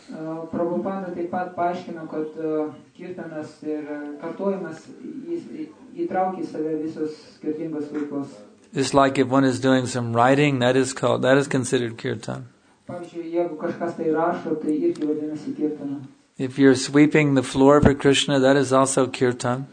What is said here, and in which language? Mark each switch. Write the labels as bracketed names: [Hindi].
[Lithuanian] Prabhupada taip pat paaiškino, kad kirtanas ir kartojimas įtraukia į save visos skirtingos veiklos. [English] It's like if one is doing some writing, that is considered kirtan. [Lithuanian] Pavyzdžiui, jeigu kažkas tai rašo, tai irgi vadinasi kirtana. [English] If you're sweeping the floor for Krishna, that is also kirtan.